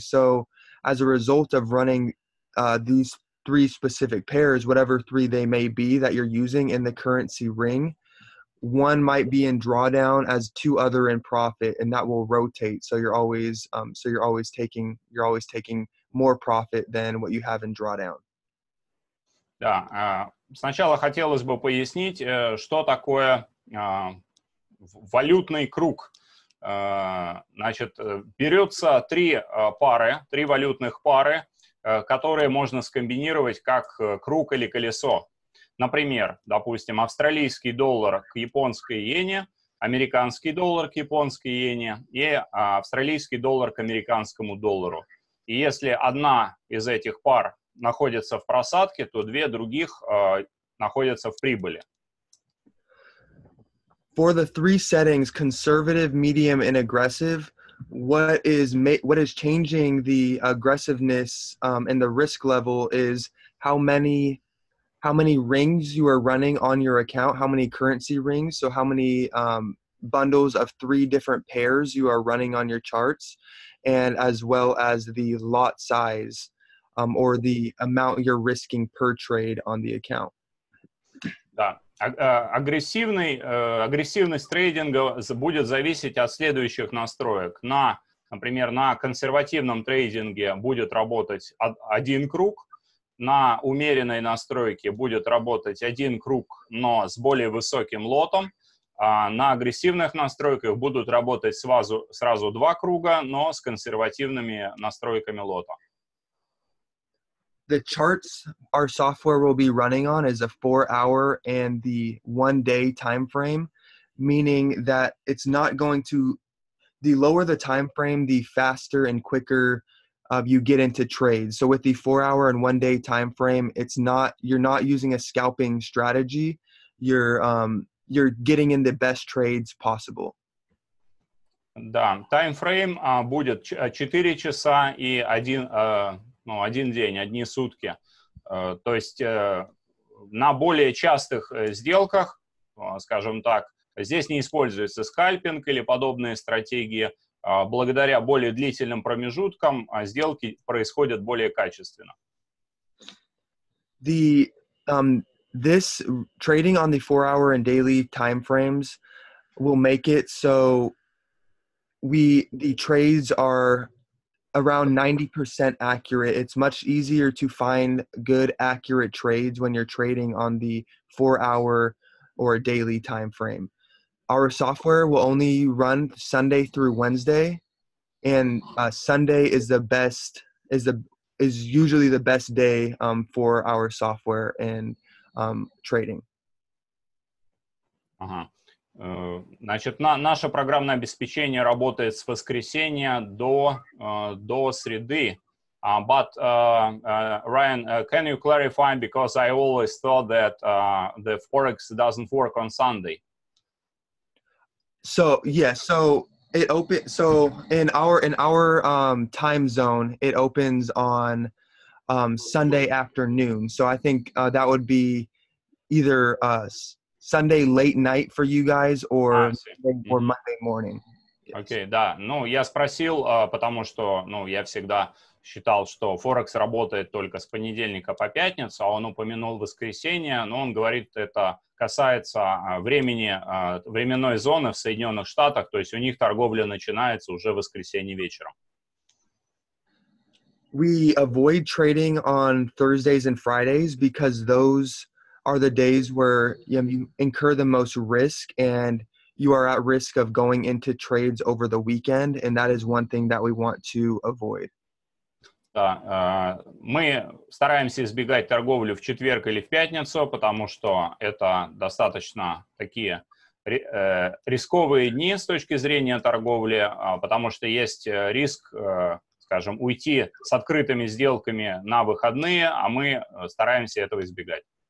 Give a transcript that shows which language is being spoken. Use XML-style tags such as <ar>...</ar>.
<en>So as a result of running these three specific pairs, whatever three they may be that you're using in the currency ring, one might be in drawdown as two other in profit, and that will rotate. So you're always taking more profit than what you have in drawdown.</en> <ru>Да, сначала хотелось бы пояснить, что такое валютный круг. Значит, берется три валютных пары, которые можно скомбинировать как круг или колесо. Например, допустим, австралийский доллар к японской иене, американский доллар к японской иене и австралийский доллар к американскому доллару. И если одна из этих пар находится в просадке, то две других находятся в прибыли.</ru> <en>For the three settings, conservative, medium, and aggressive, what is changing the aggressiveness and the risk level is how many rings you are running on your account, how many currency rings, so how many bundles of three different pairs you are running on your charts, and as well as the lot size or the amount you're risking per trade on the account.</en> <ru>Да, агрессивность трейдинга будет зависеть от следующих настроек. Например, на консервативном трейдинге будет работать один круг, на умеренной настройке будет работать один круг, но с более высоким лотом. А на агрессивных настройках будут работать сразу два круга, но с консервативными настройками лота.</ru> <en>The charts our software will be running on is a 4-hour and the 1-day time frame, meaning that it's not going to... The lower the time frame, the faster and quicker you get into trades. So with the 4-hour and 1-day time frame, you're not using a scalping strategy. You're getting in the best trades possible.</en> <ru>Да, таймфрейм будет 4 часа и один день, одни сутки. То есть на более частых сделках, скажем так, здесь не используется скальпинг или подобные стратегии. Благодаря более длительным промежуткам сделки происходят более качественно.</ru> <en>This trading on the 4-hour and daily time frames will make it so the trades are around 90% accurate. It's much easier to find good accurate trades when you're trading on the 4-hour or daily time frame. Our software will only run Sunday through Wednesday, and Sunday is usually the best day for our software and trading.</en> <ru>Ага. Значит, наше программное обеспечение работает с воскресенья до среды.</ru> <en>Ryan, can you clarify? Because I always thought that the Forex doesn't work on Sunday. So yes, yeah, so it open. So in our time zone, it opens on Sunday afternoon. So I think that would be either Sunday late night for you guys or or Monday morning?</en> <ru>Окей, да. Ну, я спросил, потому что, ну, я всегда считал, что Форекс работает только с понедельника по пятницу, а он упомянул воскресенье, но он говорит, это касается времени, временной зоны в Соединенных Штатах, то есть у них торговля начинается уже в воскресенье вечером.</ru> <en>We avoid trading on Thursdays and Fridays because those are the days where you incur the most risk and you are at risk of going into trades over the weekend, and that is one thing that we want to avoid.</en> <ru>Да, мы стараемся избегать торговлю в четверг или в пятницу, потому что это достаточно такие рисковые дни с точки зрения торговли, потому что есть риск, скажем, уйти с открытыми сделками на выходные, а мы стараемся этого избегать.</ru>